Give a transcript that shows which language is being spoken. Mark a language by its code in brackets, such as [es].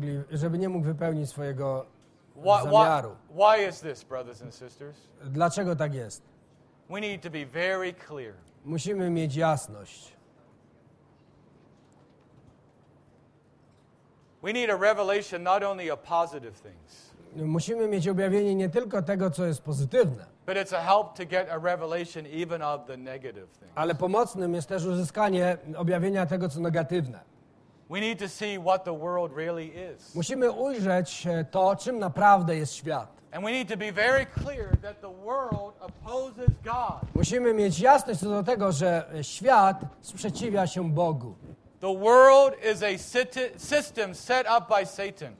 [pl] Żeby nie mógł wypełnić swojego zamiaru. [en] Why is this, brothers and sisters? [pl] Dlaczego tak jest? [en] We need to be very clear. [pl] Musimy mieć jasność. [en] We need a revelation not only of positive things. [pl] Musimy mieć objawienie nie tylko tego, co jest pozytywne. [en] But it's a help to get a revelation even of the negative things. [pl] Ale pomocnym jest też uzyskanie objawienia tego, co negatywne. [en] We need to see what the world really is. [pl] Musimy ujrzeć to, czym naprawdę jest świat. [en] And we need to be very clear that the world opposes God. [pl] Musimy mieć jasność co do tego, że świat sprzeciwia się Bogu. [en] The world is a system set up by Satan.